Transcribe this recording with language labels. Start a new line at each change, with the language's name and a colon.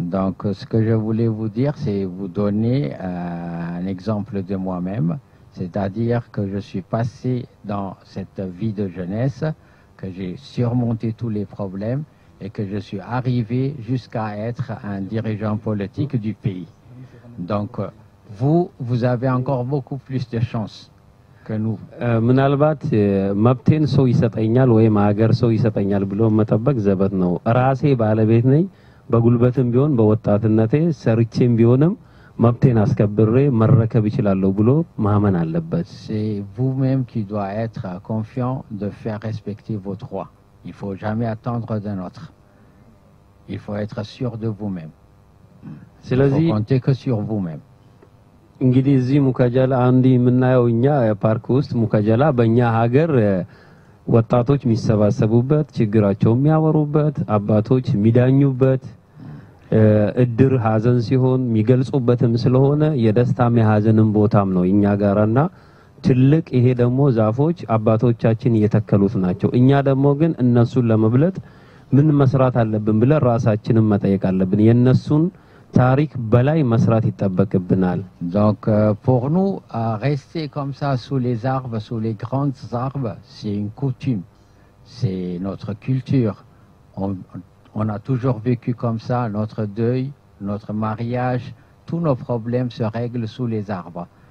French: Donc ce que je voulais vous dire, c'est vous donner un exemple de moi-même, c'est-à-dire que je suis passé dans cette vie de jeunesse, que j'ai surmonté tous les problèmes et que je suis arrivé jusqu'à être un dirigeant politique du pays. Donc vous, vous avez encore beaucoup plus de chance que nous.
Amharic: ምናልባት መብቴን ሰው ይሰጠኛል ወይም ሀገር ሰው ይሰጠኛል ብሎ መጠበቅ ዘበት ነው። ራሴ ባለቤት ነኝ። በጉልበትም ቢሆን በወጣትነቴ ሰርቼም ቢሆንም መብቴን አስከብሬ መረከብ ይችላለሁ ብሎ ማመን አለበት።
French: C'est vous-même qui doit être confiant de faire respecter vos droits. Il faut jamais attendre d'un autre. Il faut être sûr de vous-même.
Amharic: ስለዚህ
French: vous comptez que sur vous-même.
Amharic: እንግዲህ እዚህ ሙካጀላ አንድ የምናየው እኛ ፓርክ ውስጥ ሙካጀላ በእኛ ሀገር ወጣቶች የሚሰባሰቡበት ችግራቸው የሚያወሩበት አባቶች የሚዳኙበት እድር ሀዘን ሲሆን የሚገልጹበትም ስለሆነ የደስታም የሀዘንም ቦታም ነው እኛ ጋራና ትልቅ ይሄ ደግሞ ዛፎች አባቶቻችን እየተከሉት ናቸው። እኛ ደግሞ ግን እነሱን ለመብለጥ ምን መስራት አለብን ብለን ራሳችንን መጠየቅ አለብን። የነሱን ታሪክ በላይ መስራት ይጠበቅብናል።
French: Donc pour nous, rester comme ça sous les arbres, sous les grandes arbres, c'est une coutume, c'est notre culture. On a toujours vécu comme ça, notre deuil, notre mariage, tous nos problèmes se règlent sous les arbres.